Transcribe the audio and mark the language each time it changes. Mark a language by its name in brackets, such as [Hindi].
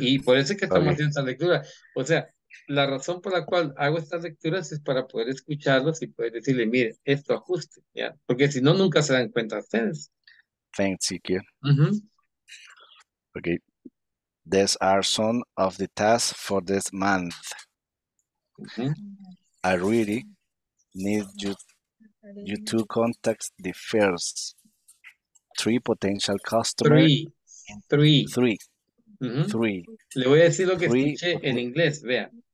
[Spanish] Y por eso es que estamos haciendo esta lectura. O sea, la razón por la cual hago estas lecturas es para poder escucharlos y poder decirle, mire, esto ajuste, ¿ya? Porque si no, nunca se dan cuenta ustedes. [English] Thanks, Ikea. Mm-hmm. Okay. These are some of the tasks for this month. Mm-hmm. I really need you to contact the first three potential customers. [Spanish] Le voy a decir lo que escuché en inglés, vea.